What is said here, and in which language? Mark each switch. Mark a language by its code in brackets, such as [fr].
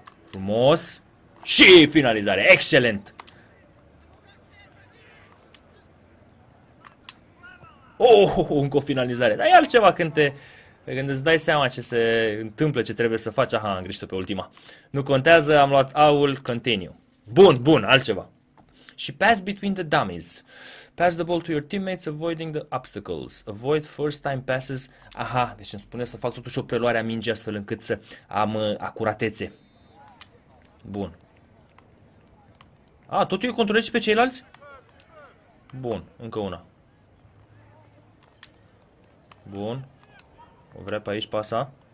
[ro] Frumos. Și finalizare, excelent! Încă o finalizare. Dar e altceva când îți dai seama ce se întâmplă, ce trebuie să faci. Aha, am greșit-o pe ultima. Nu contează, am luat aul, continue. Bun, altceva. [en] Și pass between the dummies. Pass the ball to your teammates, avoiding the obstacles. Avoid first time passes. [ro] Aha, deci îmi spune să fac totuși o preluare a mingii astfel încât să am acuratețe. Bun. A, tot eu controlez și pe ceilalți? Bun, încă una. Bun. O vrea pe aici pasa.